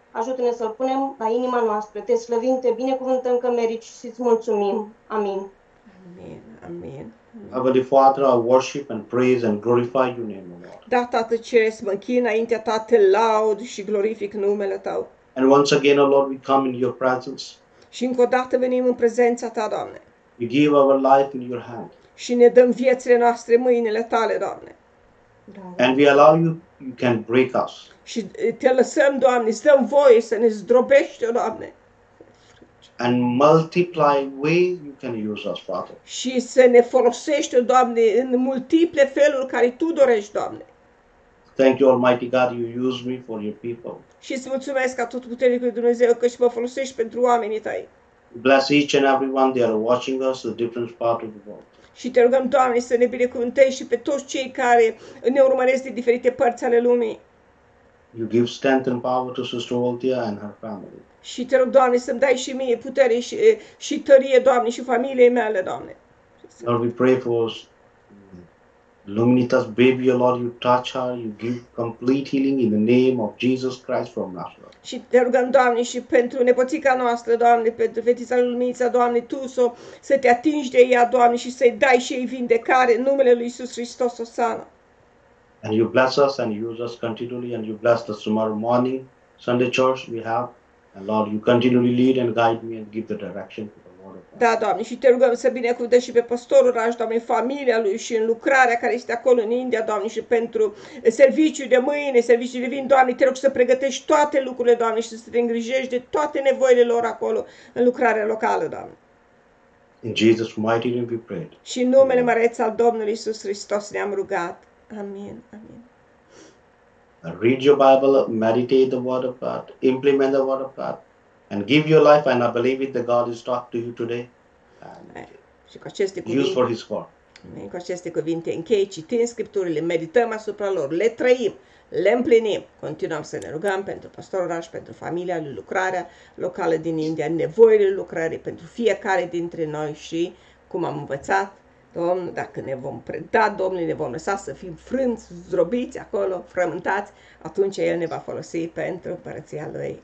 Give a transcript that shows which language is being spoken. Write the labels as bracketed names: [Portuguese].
[Romanian] Ajută-ne să-L punem la inima noastră. Te slăvim, te binecuvântăm că merici și îți mulțumim. Amin. Amin. [English] Heavenly Father, I worship and praise and glorify Your name, O Lord. [Romanian] Da, Tată Ceresc, mă închin înaintea Ta, te laud și glorific numele Tău. [English] And once again, O Lord, we come in Your presence. [Romanian] Și încă o dată venim în prezența Ta, Doamne. [English] We give our life in Your hand. [Romanian] Și ne dăm viețile noastre mâinile Tale, Doamne. [English] And we allow you can break us. [Romanian] Și te lăsăm, Doamne, să dăm voie să ne zdrobești, Doamne. [English] And multiply ways you can use us, Father. [Romanian] Și să ne folosești, Doamne, în multiple feluri care Tu dorești, Doamne. [English] Thank you, Almighty God, you use me for your people. [Romanian] Și îți mulțumesc atotputernicul Dumnezeu că și mă folosești pentru oamenii Tăi. [English] Bless each and everyone that are watching us in different parts of the world. [Romanian] Și te rugăm, Doamne, să ne binecuvântezi și pe toți cei care ne urmăresc din diferite părți ale lumii. [English] You give strength and power to Sister Voltia and her family. [Romanian] Și te rog, Doamne, să-mi dai și mie putere și tărie, Doamne, și familiei mele, Doamne. [English] Lord, we pray for Luminitas, baby, Lord, you touch her, you give complete healing in the name of Jesus Christ from Nazareth. [Romanian] Și te rugăm, Doamne, și pentru nepoțica noastră, Doamne, pentru fetița Luminița, Doamne, Tu să te atingi de ea, Doamne, și să-i dai și ei vindecare în numele lui Iisus Hristos, Osana. [English] And you bless us and use us continually and you bless the tomorrow morning Sunday church we have. And Lord, you continually lead and guide me and give the direction to the Lord of God. [Romanian] Da, Doamne, și te rugăm să binecuvântezi și pe pastorul Raj, Doamne, familia lui și în lucrarea care este acolo în India, Doamne, și pentru serviciul de mâine, serviciul de vin, Doamne, te rog să pregătești toate lucrurile, Doamne, și să te îngrijești de toate nevoile lor acolo în lucrarea locală, Doamne. [English] In Jesus' mighty name we pray. [Romanian] Și în numele măreț al Domnului Iisus Hristos ne-am rugat. Amin. Amin. [English] Read your Bible, meditate the word of God, implement the word of God, and give your life, and I believe it, that God is talking to you today, and use for his work. Amen. [Romanian] Cu aceste cuvinte închei, citim scripturile, medităm asupra lor, le trăim, le împlinim. Continuăm să ne rugăm pentru pastorul Raj, pentru familia lui, lucrarea locală din India, nevoile lucrării pentru fiecare dintre noi și, cum am învățat, Domnul, dacă ne vom preda, Domnului, ne vom lăsa să fim frânți, zdrobiți acolo, frământați, atunci El ne va folosi pentru împărăția Lui.